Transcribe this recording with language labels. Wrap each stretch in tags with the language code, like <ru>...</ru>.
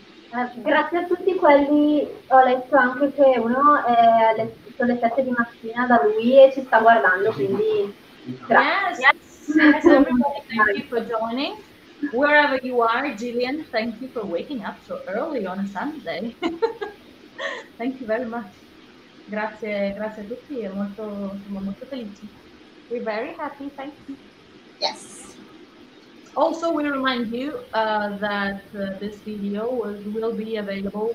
<it>Grazie a tutti quelli, ho letto anche che uno è sulle 7 di mattina da lui e ci sta guardando, quindi</it> <en>yes, everybody, thank you for joining. Wherever you are, Gillian, thank you for waking up so early on a Sunday. Thank you very much.</en> <it>Grazie, grazie a tutti, è molto, siamo molto felici.</it> <en>We're very happy, thank you. Yes. Also, we remind you that this video will be available.</en>